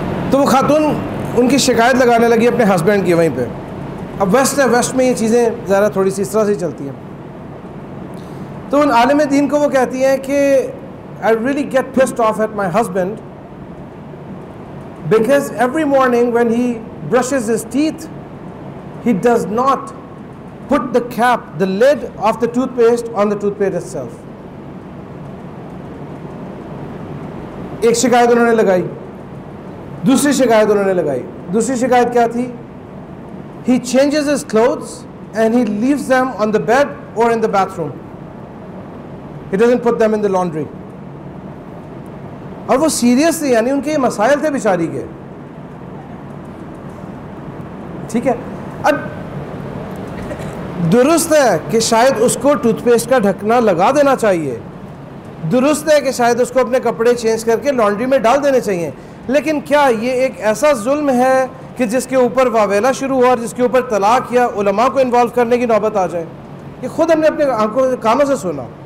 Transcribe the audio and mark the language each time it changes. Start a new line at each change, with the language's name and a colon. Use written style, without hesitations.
Urdu: تو وہ خاتون ان کی شکایت لگانے لگی اپنے ہسبینڈ کی وہیں پہ. اب ویسٹ ہے, ویسٹ میں یہ چیزیں ذرا تھوڑی سی اس طرح سے چلتی ہیں. تو ان عالم دین کو وہ کہتی ہیں کہ
English: I really get pissed off at my husband because every morning when he brushes his teeth, he does not put the cap, the lid of the toothpaste on the toothpaste itself.
Urdu: ایک شکایت انہوں نے لگائی, دوسری شکایت انہوں نے لگائی. دوسری شکایت کیا تھی؟
English: He changes his clothes and he leaves them on the bed or in the bathroom. He doesn't put them in the laundry.
Urdu: اور وہ سیریس تھے, یعنی ان کے یہ مسائل تھے بیچاری کے. ٹھیک ہے, اب درست ہے کہ شاید اس کو ٹوتھ پیسٹ کا ڈھکنا لگا دینا چاہیے, درست ہے کہ شاید اس کو اپنے کپڑے چینج کر کے لانڈری میں ڈال دینے چاہیے, لیکن کیا یہ ایک ایسا ظلم ہے کہ جس کے اوپر واویلا شروع ہوا اور جس کے اوپر طلاق یا علماء کو انوالو کرنے کی نوبت آ جائے؟ یہ خود ہم نے اپنے آنکھوں سے کانوں سے سنا.